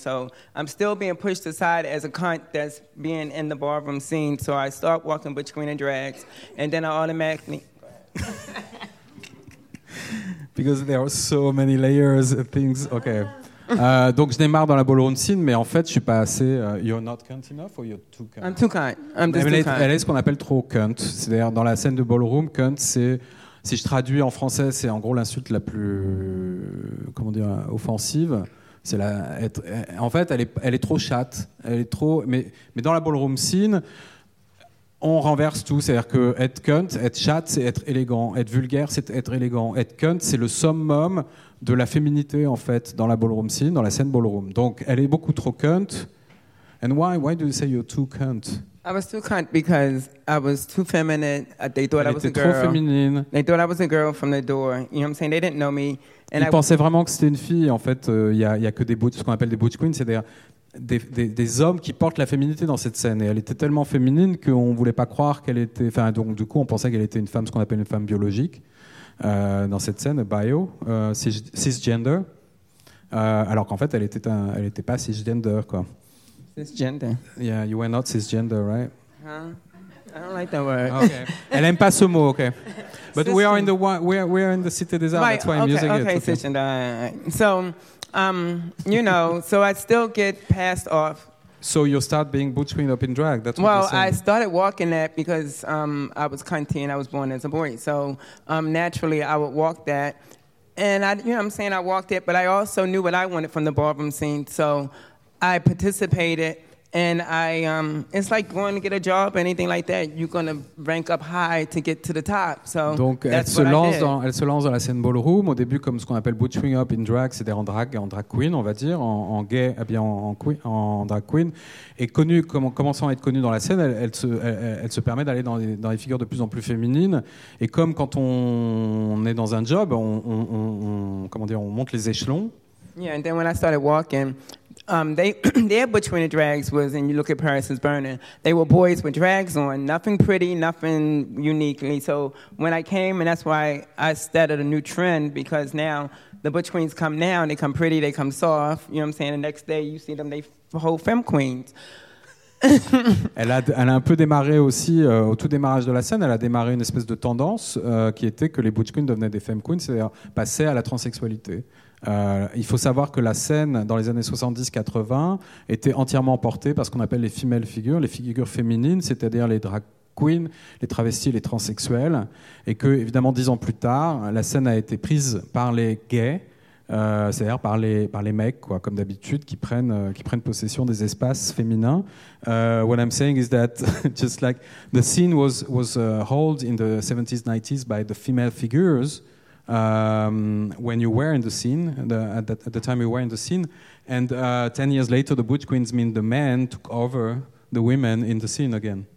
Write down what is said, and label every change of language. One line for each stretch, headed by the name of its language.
English: So I'm still being pushed aside as a cunt that's being in the ballroom scene. So I start walking Butch Queen and drags, and then I automatically. Because there are so many layers of things. Okay.
French: Donc je démarre dans la ballroom scene, mais en fait je suis pas assez.
English: You're not cunt enough or you're too cunt? I'm too cunt. I'm just too cunt.
French: Elle est ce qu'on appelle trop cunt. C'est-à-dire dans la scène de ballroom, cunt, c'est si je traduis en français, c'est en gros l'insulte la plus comment dire offensive. C'est la être. En fait, elle est trop chatte. Elle est trop. Mais dans la ballroom scene, on renverse tout. C'est-à-dire que être cunt, être chatte, c'est être élégant. Être vulgaire, c'est être élégant. Être cunt, c'est le summum de la féminité, en fait, dans la ballroom scene, dans la scène ballroom. Donc, elle est beaucoup trop cunt.
English: And why do you say you're too cunt? I was too cunt because I was too feminine. They thought
French: elle
English: I was a girl.
French: Elle était trop féminine.
English: They thought I was a girl from the door. You know what I'm saying? They didn't know me.
French: And ils pensaient vraiment que c'était une fille. En fait, il y a que des butch, ce qu'on appelle des butch queens, c'est-à-dire des hommes qui portent la féminité dans cette scène. Et elle était tellement féminine qu'on ne voulait pas croire qu'elle était... Enfin, donc, du coup, on pensait qu'elle était une femme, ce qu'on appelle une femme biologique. Dans cette scène, bio, cisgender, alors qu'en fait, elle était pas cisgender, quoi. Cisgender.
English: Yeah, you were not cisgender, right? Huh? I don't like that word.
French: Okay. Elle aime pas ce mot, okay.
English: But we are in the Cité des Arts. That's why I'm using it. Okay, cisgender. So, you know, so I still get passed off. So you start being butch queen up in drag. That's what you're saying. Well, I started walking that because I was cunty and I was born as a boy. So naturally, I would walk that. And I, you know what I'm saying? I walked it, but I also knew what I wanted from the ballroom scene. So I participated, and I it's like going to get a job or anything like that. You're going to rank up high to get to the top. So
French: donc
English: that's
French: elle se lance dans elle se lance dans la scène ballroom au début comme ce qu'on appelle butchering up in drag, c'est-à-dire en drag et en drag queen, on va dire en gay eh bien en drag queen et connue comme commençant à être connue dans la scène, elle se permet d'aller dans les figures de plus en plus féminines et comme quand on est dans un job, on monte les échelons.
English: Yeah, and then when I started walking, their butch queen of drags was, and you look at Paris is Burning, they were boys with drags on, nothing pretty, nothing uniquely. So when I came, and that's why I started a new trend, because now the butch queens come now, and they come pretty, they come soft, you know what I'm saying? The next day you see them, they whole femme queens.
French: Elle a un peu démarré aussi au tout démarrage de la scène. Elle a démarré une espèce de tendance qui était que les butch queens devenaient des femme queens, c'est-à-dire passaient à la transsexualité. Il faut savoir que la scène dans les années 70-80 était entièrement portée par ce qu'on appelle les female figures, les figures féminines, c'est-à-dire les drag queens, les travestis, les transsexuels, et que évidemment 10 ans plus tard, la scène a été prise par les gays. C'est-à-dire par les mecs, quoi, comme d'habitude, qui prennent possession des espaces féminins.
English: What I'm saying is that just like the scene was held in the 70s, 90s by the female figures when you were in the scene, at the time you were in the scene, and 10 years later, the butch queens mean the men took over the women in the scene again.